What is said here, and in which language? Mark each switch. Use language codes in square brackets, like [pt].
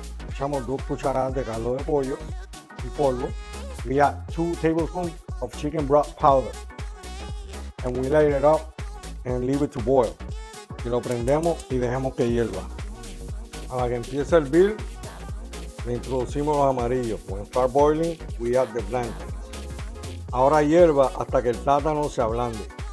[es] Echamos dos cucharadas de caldo de pollo y polvo. [en] We add 2 tablespoons of chicken broth powder. And we light it up and leave it to boil. [es] Y lo prendemos y dejemos que hierva. A la que empiece a hervir, le introducimos los amarillos. [en] When start boiling, we add the plantains. [es] Ahora hierva hasta que el plátano se ablande.